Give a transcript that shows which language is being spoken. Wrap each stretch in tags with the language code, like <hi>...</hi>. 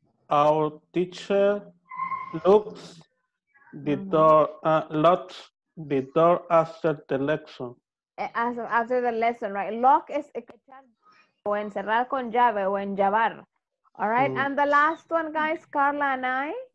<en>Our teacher looks the door, locks the door after the lesson. After the lesson, right?</en> <es>Lock es echar o encerrar con llave o enllavar.</es> <en>All right, and the last one, guys, Carla and I.</en>